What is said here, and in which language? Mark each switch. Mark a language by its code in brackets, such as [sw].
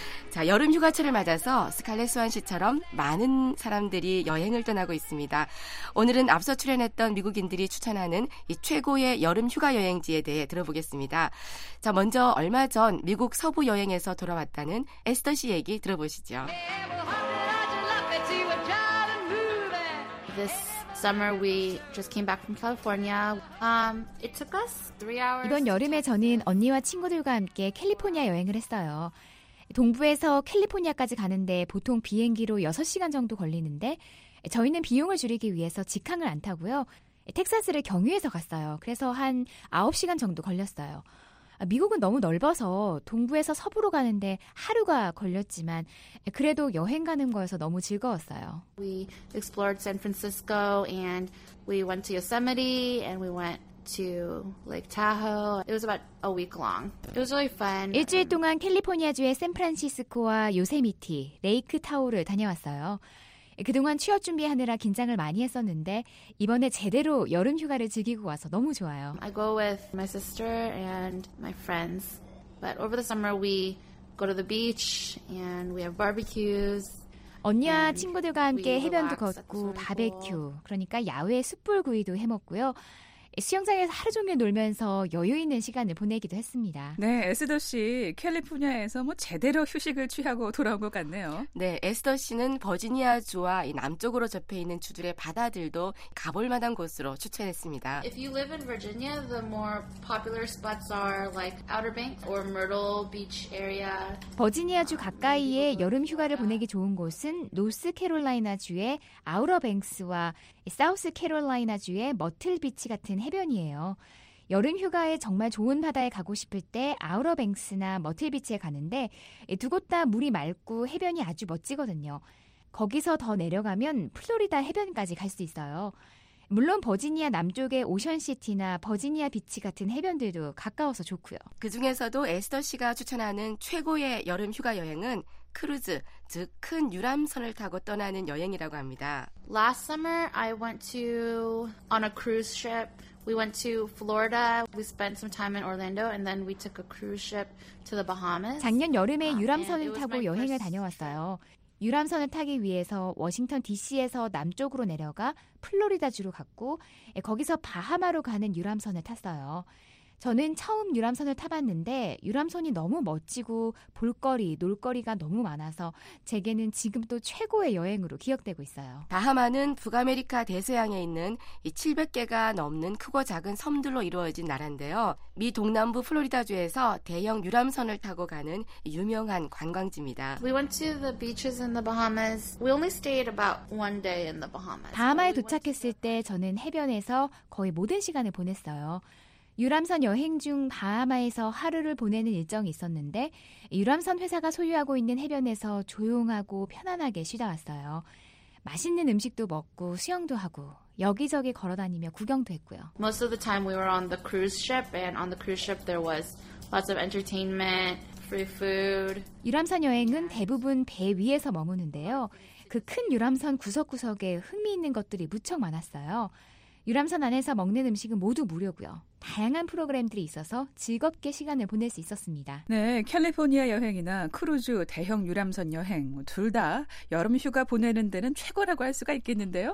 [ko] 자, 여름 휴가철을 맞아서 스칼렛 스완 씨처럼 많은 사람들이 여행을 떠나고 있습니다. 오늘은 앞서 출연했던 미국인들이 추천하는 이 최고의 여름 휴가 여행지에 대해 들어보겠습니다. 자, 먼저 얼마 전 미국 서부 여행에서 돌아왔다는 에스터 씨 얘기 들어보시죠. [en] This summer we just came back from California. It took us 3 hours. [ko] 이번 여름에 저는 언니와 친구들과 함께 캘리포니아 여행을 했어요. 동부에서 캘리포니아까지 가는데 보통 비행기로 6시간 정도 걸리는데 저희는 비용을 줄이기 위해서 직항을 안 타고요. 텍사스를 경유해서 갔어요. 그래서 한 9시간 정도 걸렸어요. 미국은 너무 넓어서 동부에서 서부로 가는데 하루가 걸렸지만 그래도 여행 가는 거여서 너무 즐거웠어요. [en] We explored San Francisco and we went to Yosemite and we went to Lake Tahoe. It was about a week long. It was really fun. [ko] 일주일 동안 캘리포니아주의 샌프란시스코와 요세미티, 레이크 타호를 다녀왔어요. 그동안 취업 준비하느라 긴장을 많이 했었는데 이번에 제대로 여름 휴가를 즐기고 와서 너무 좋아요. [en] I go with my sister and my friends. But over the summer we go to the beach and we have barbecues. [ko] 언니와 친구들과 함께 해변도 걷고 바베큐, 그러니까 야외 숯불구이도 해 먹고요. 수영장에서 하루 종일 놀면서 여유 있는 시간을 보내기도 했습니다. 네, 에스더 씨, 캘리포니아에서 뭐 제대로 휴식을 취하고 돌아온 것 같네요. 네, 에스더 씨는 버지니아주와 이 남쪽으로 접해 있는 주들의 바다들도 가볼 만한 곳으로 추천했습니다. [en] If you live in Virginia, the more popular spots are like Outer Banks or Myrtle Beach area. [ko] 버지니아주 가까이에 여름 휴가를 보내기 좋은 곳은 노스 캐롤라이나주의 아우러뱅스와 사우스 캐롤라이나주의 머틀비치 같은 해변이에요. 여름 휴가에 정말 좋은 바다에 가고 싶을 때 아우러뱅스나 머틀비치에 가는데 두 곳 다 물이 맑고 해변이 아주 멋지거든요. 거기서 더 내려가면 플로리다 해변까지 갈 수 있어요. 물론 버지니아 남쪽의 오션시티나 버지니아 비치 같은 해변들도 가까워서 좋고요. 그 중에서도 에스더 씨가 추천하는 최고의 여름 휴가 여행은 크루즈, 즉 큰 유람선을 타고 떠나는 여행이라고 합니다. [en] Last summer I went to on a cruise ship. We went to Florida. We spent some time in Orlando and then we took a cruise ship to the Bahamas. [ko] 작년 여름에 유람선을 타고 여행을 다녀왔어요. 유람선을 타기 위해서 워싱턴 DC에서 남쪽으로 내려가 플로리다주로 갔고 거기서 바하마로 가는 유람선을 탔어요. 저는 처음 유람선을 타봤는데 유람선이 너무 멋지고 볼거리, 놀거리가 너무 많아서 제게는 지금도 최고의 여행으로 기억되고 있어요. 바하마는 북아메리카 대서양에 있는 700개가 넘는 크고 작은 섬들로 이루어진 나라인데요. 미 동남부 플로리다주에서 대형 유람선을 타고 가는 유명한 관광지입니다. [en] We went to the beaches in the Bahamas. We only stayed about one day in the Bahamas. [ko] 바하마에 도착했을 때 저는 해변에서 거의 모든 시간을 보냈어요. 유람선 여행 중 바하마에서 하루를 보내는 일정이 있었는데 유람선 회사가 소유하고 있는 해변에서 조용하고 편안하게 쉬다 왔어요. 맛있는 음식도 먹고 수영도 하고 여기저기 걸어다니며 구경도 했고요. [en] Most of the time we were on the cruise ship and on the cruise ship there was lots of entertainment, free food. [ko] 유람선 여행은 대부분 배 위에서 머무는데요. 그 큰 유람선 구석구석에 흥미있는 것들이 무척 많았어요. 유람선 안에서 먹는 음식은 모두 무료고요. 다양한 프로그램들이 있어서 즐겁게 시간을 보낼 수 있었습니다. 네, 캘리포니아 여행이나 크루즈, 대형 유람선 여행 둘 다 여름 휴가 보내는 데는 최고라고 할 수가 있겠는데요.